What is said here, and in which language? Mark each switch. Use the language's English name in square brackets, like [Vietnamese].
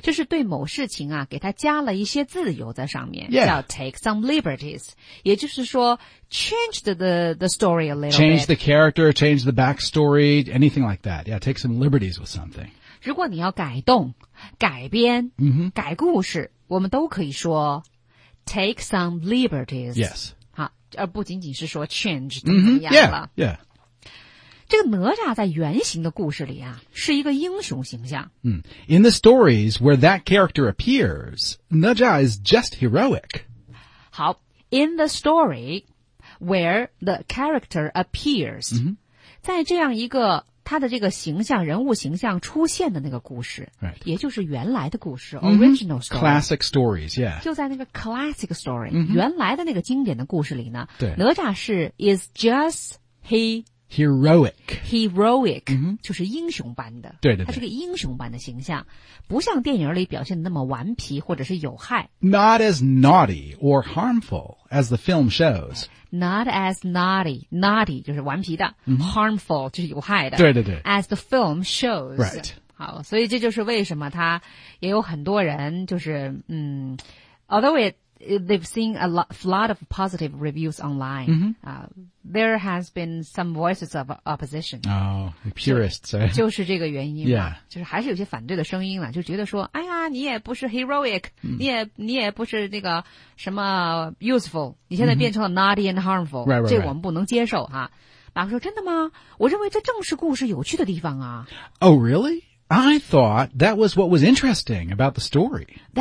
[Chinese] 就是对某事情啊给他加了一些自由在上面。 [English] Yeah. [Chinese] 叫 [English] take some liberties. [Chinese] 也就是说 [English] changed the story a little bit. Change the character, change the backstory, anything like that. Yeah, take some liberties with something. [Chinese] 如果你要改动、改编、 mm-hmm. 改故事，我们都可以说 [English] take some liberties. Yes. [Chinese] 好，而不仅仅是说 change 怎么 [English] 样了。Mm-hmm. Yeah. Yeah. [Chinese] 这个哪吒在原型的故事里啊，是一个英雄形象。 Mm. [English] In the stories where that character appears, 哪吒 is just heroic. 好 ，in the story where the character appears,、 mm-hmm. [Chinese] 在这样一个。他的这个形象人物形象出现的那个故事、 [English] right. [Chinese] 也就是原来的故事、mm-hmm. [English] original story classic stories yeah [Chinese] 就在那个 classic story、 mm-hmm. 原来的那个经典的故事里呢对 [English] 哪吒 [Chinese] 是 [English] is just he heroic、mm-hmm. [Chinese] 就是英雄般的对对对他是个英雄般的形象不像电影里表现的那么顽皮或者是有害 [English] not as naughty or harmful as the film shows Not as naughty. Naughty [Chinese] 就是顽皮的、 mm-hmm. Harmful 就是有害的对对对 [English] As the film shows Right [Chinese] 好所以这就是为什么他也有很多人就是嗯 [English] Although they've seen a flood of positive reviews online、 mm-hmm. There has been some voices of opposition Oh, purists、so, [Chinese] 就是这个原因 [English] Yeah [Chinese] 就是还是有些反对的声音了就觉得说哎呀你也不是 heroic、 mm-hmm. 你也不是那个什么 useful 你现在变成了 [English] naughty and harmful、 mm-hmm. right, right, [Chinese] 这我们不能接受哈。马克说真的吗我认为这正是故事有趣的地方啊 [English] Oh, really? I thought that was what was interesting about the story